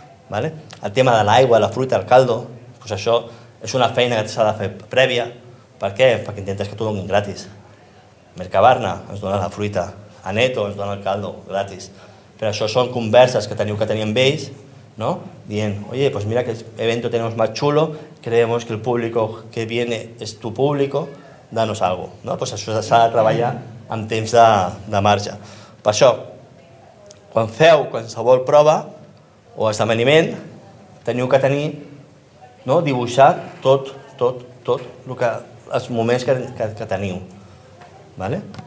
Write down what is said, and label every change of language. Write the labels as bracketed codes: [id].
[es] ¿vale? [ca] El tema de l'aigua, la fruita, el caldo, pues això és una feina que s'ha de fer prèvia. Per què? Perquè intentes que t'ho donin gratis. Mercabarna ens dona la fruita, a Neto ens dona el caldo gratis. Però això són converses que teniu que tenir amb ells, no? [es] Dient, oye, pues mira que evento tenemos más chulo, creemos que el público que viene es tu público, danos algo, no? [ca] Pues això s'ha de treballar amb temps de marge. Per això, quan feu qualsevol prova o esdeveniment, teniu que tenir, no?, dibuixat tot el que, els moments que teniu. ¿Vale?